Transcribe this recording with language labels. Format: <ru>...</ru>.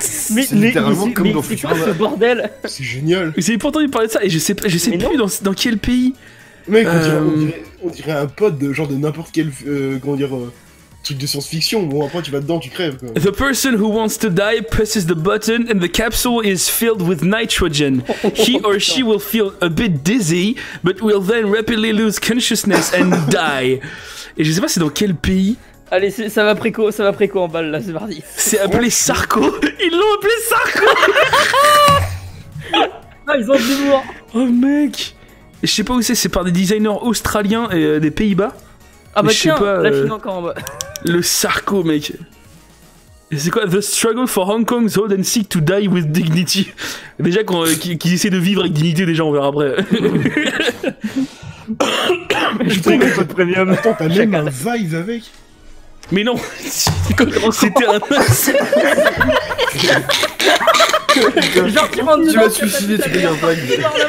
<fr>Mais c'est littéralement comme dans Futurama. C'est quoi ce bordel? C'est génial. Vous avez pas entendu parler de ça, et je sais plus dans quel pays. Mec, on dirait un pod de genre de n'importe quel, comment dire... truc de science-fiction, bon après tu vas dedans, tu crèves quoi.</fr> <en>The person who wants to die presses the button and the capsule is filled with nitrogen. He or she will feel a bit dizzy, but will then rapidly lose consciousness and die.</en> <fr>Et je sais pas c'est dans quel pays. Allez, ça va préco en balle là, c'est mardi. C'est appelé Sarko. Ils l'ont appelé Sarko. Ah, ils ont de l'humour. Oh mec. Je sais pas où c'est par des designers australiens et des Pays-Bas. Ah bah tiens, pas, la Chine encore en bas. Le Sarko, mec. Et c'est quoi?</fr> <en>The struggle for Hong Kong's old and sick to die with dignity.</en> <fr>Déjà qu'ils essaient de vivre avec dignité, déjà on verra après. Je prends mon code premium. Attends, t'as même un Vive avec? Mais non. C'était un... Genre, tu vas suicider, tu payes un Vive.</fr>